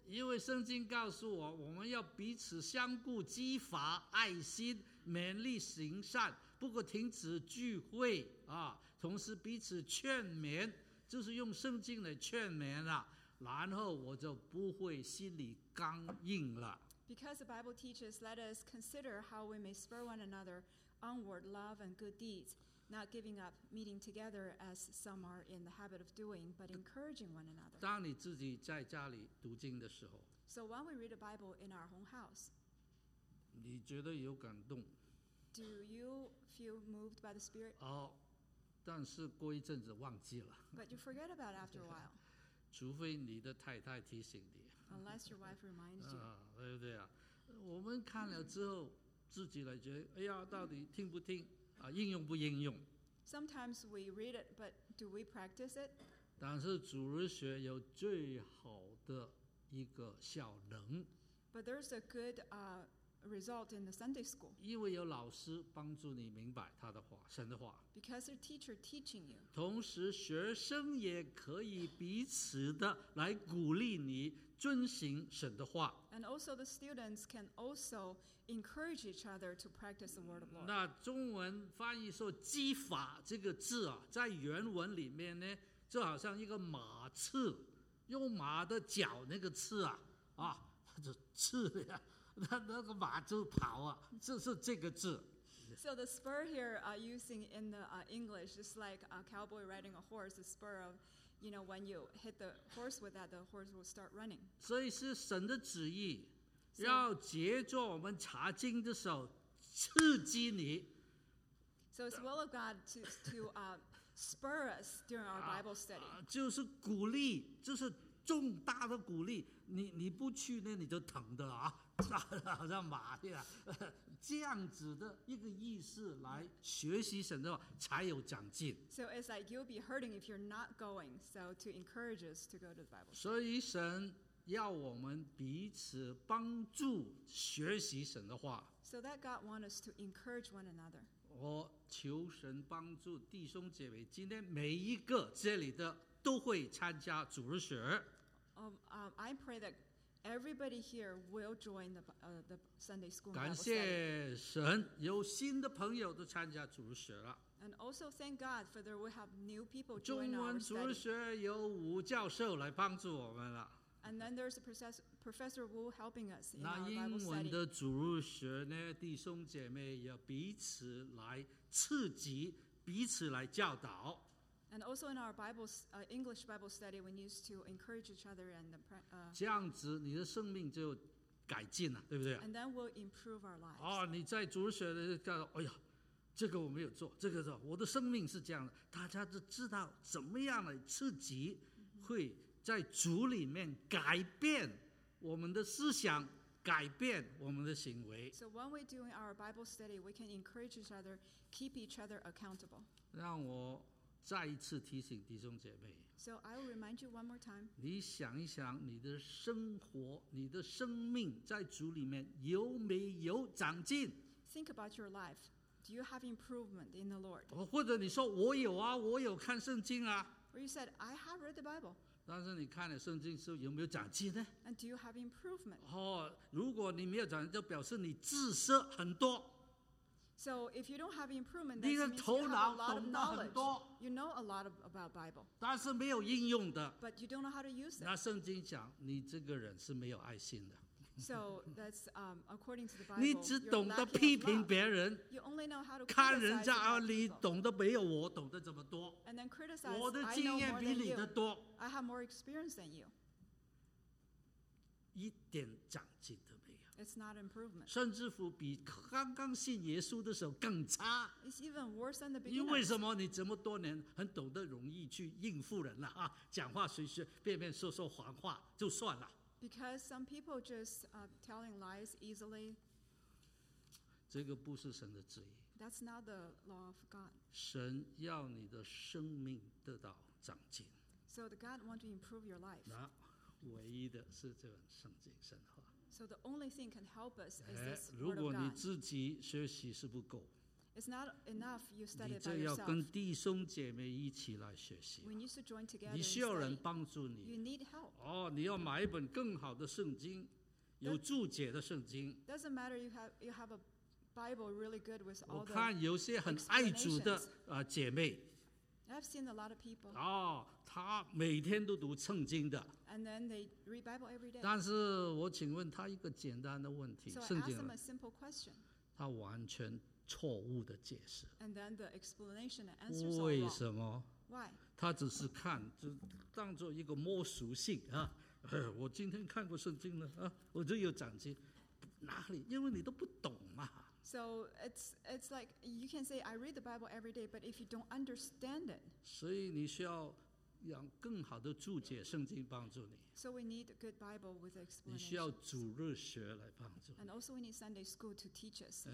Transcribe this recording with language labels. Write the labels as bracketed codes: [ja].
[zh] 因为圣经告诉我，我们要彼此相顾，激发爱心，勉励行善，不可停止聚会啊，同时彼此劝勉，就是用圣经来劝勉了，然后我就不会心里刚硬了。 [en] Because the Bible teaches, let us consider how we may spur one another onward, love and good deeds, not giving up meeting together as some are in the habit of doing, but encouraging one another. [zh] 当你自己在家里读经的时候， [en] So when we read the Bible in our own house, [zh] 你觉得有感动？ [en] Do you feel moved by the Spirit? [zh] 哦，但是过一阵子忘记了。 [en] But you forget about it after a while. [zh] 除非你的太太提醒你。 [en] Unless your wife reminds you. [zh] 啊，对不对啊？我们看了之后。自己来觉得，哎呀，到底听不听啊？应用不应用 [en] ？Sometimes we read it, but do we practice it? [zh] 但是主日学有最好的一个效能。 [en] But there's a good result in the Sunday school. [zh] 因为有老师帮助你明白他的话，神的话。 [en] Because your teacher teaching you. [zh] 同时，学生也可以彼此的来鼓励你。遵行神的话。 [en] And also the students can also encourage each other to practice the word of the Lord. [zh] 那中文翻译说激发这个字啊，在原文里面呢，就好像一个马刺，用马的脚那个刺啊，啊，就刺呀，那个马就跑啊，就是这个字。 [en] So the spur here using in the English is like a cowboy riding a horse, the spur of, you know, when you hit the horse with that, the horse will start running. [zh] 所以是神的旨意，要藉着我们查经的时候刺激你。 [en] So it's will of God to spur us during our Bible study. [zh] 就是鼓励，就是重大的鼓励。你不去那你就疼的啊，好像马一样，这样子的一个意思来学习神的话才有长进。 [en] So it's like you'll be hurting if you're not going. So to encourage us to go to the Bible. [zh] 所以神要我们彼此帮助学习神的话。 [en] So that God wants us to encourage one another. [zh] 我求神帮助弟兄姐妹，今天每一个这里的都会参加主日学。 [en] I pray that everybody here will join the Sunday school. [zh] 感谢神，有新的朋友都参加主日学了。 [en] And also thank God for there will have new people join our study. [zh] 中文主日学有吴教授来帮助我们了。 [en] And then there's a professor Wu helping us in our Bible study. [zh] 那英文的主日学呢，弟兄姐妹要彼此来刺激，彼此来教导。 [en] And also in our English Bible study, we need to encourage each other and the. [zh] 这样子，你的生命就改进了，对不对 [en] ？And then we'll improve our lives. [zh] 哦，你在主日学的教导，哎呀，这个我没有做，这个是我的生命是这样的，大家都知道怎么样来刺激会。在主里面改变我们的思想，改变我们的行为。 [en] So when we're doing our Bible study, we can encourage each other, keep each other accountable. [zh] 让我再一次提醒弟兄姐妹。 [en] So I will remind you one more time. [zh] 你想一想，你的生活，你的生命在主里面有没有长进 [en] ？Think about your life. Do you have improvement in the Lord? [zh] 或者你说我有啊，我有看圣经啊。 [en] Or you said I have read the Bible. [zh] 但是你看了圣经是有没有长进呢 [en] ？And do you have improvement？ [zh] 哦，如果你没有长进，就表示你知识很多。 [en] So if you don't have improvement, that means you have a lot of knowledge. You know a lot about Bible. [zh] 但是没有应用的。 [en] But you don't know how to use it. [zh] 那圣经讲你这个人是没有爱心的。 [en] So that's according to the Bible. [zh] 你只懂得批评别人。 [en] You only know how to [zh] 看人家啊，你懂得没有我懂得这么多。 [en] And then criticize. [zh] 我的经验比你的多。 [en] I have more experience than you. [zh] 一点长进都没有。 [en] It's not improvement. [zh] 甚至乎比刚刚信耶稣的时候更差。 [en] It's even worse than the beginning. [zh] 因为什么？你这么多年很懂得容易去应付人了啊，讲话随随便便说说谎话就算了。 [en] Because some people just telling lies easily. [zh] 这个不是神的旨意。 [en] That's not the law of God. [zh] 神要你的生命得到长进。 [en] So the God wants to improve your life. [zh] 那唯一的是这本圣经神话。 [en] So the only thing can help us is this word of God. [zh] 如果你自己学习是不够。 [en] It's not enough you study by yourself. [zh] 你这要跟弟兄姐妹一起来学习。 [en] We need to join together. [zh] 你需要人帮助你。 [en] You need help. [zh] 哦，你要买一本更好的圣经，有注解的圣经。 [en] Doesn't matter you have a Bible really good with all the [zh] 我看有些很爱主的姐妹。 [en] I've seen a lot of people. [zh] 哦，她每天都读圣经的。 [en] And then they read Bible every day. [zh] 但是我请问她一个简单的问题，圣经。 [en] So I ask them a simple question. [zh] 她完全。错误的解释。 [en] And then the explanation and answers are wrong. [zh] 为什么 [en] ？Why？ [zh] 他只是看，就当做一个摸熟性啊。我今天看过圣经了啊，我就有长进。哪里？因为你都不懂嘛。 [en] So it's like you can say I read the Bible every day, but if you don't understand it. [zh] 所以你需要让更好的注解圣经帮助你。 [en] So we need a good Bible with explanation. [zh] 你需要主日学来帮助。 [en] And also we need Sunday school to teach us.